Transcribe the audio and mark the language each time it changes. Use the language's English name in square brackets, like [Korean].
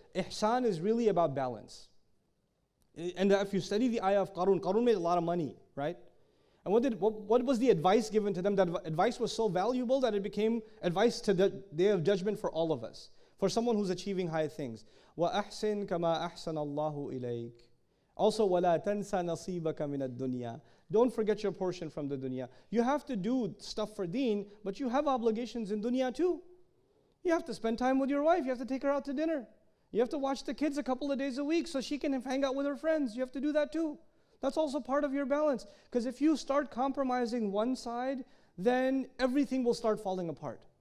[English] Ihsan is really about balance. And if you study the ayah of Qarun, Qarun made a lot of money, right? And what was the advice given to them? That advice was so valuable that it became advice to the day of judgment for all of us, for someone who's achieving high things. [Arabic] وَأَحْسِنْ كَمَا أَحْسَنَ اللَّهُ إِلَيْكَ. [English] Also, [Arabic] وَلَا تَنْسَ نَصِيبَكَ مِنَ الدُّنْيَا. [English] Don't forget your portion from the dunya. You have to do stuff for deen, but you have obligations in dunya too. You have to spend time with your wife. You have to take her out to dinner. You have to watch the kids a couple of days a week so she can hang out with her friends. You have to do that too. That's also part of your balance. Because if you start compromising one side, then everything will start falling apart.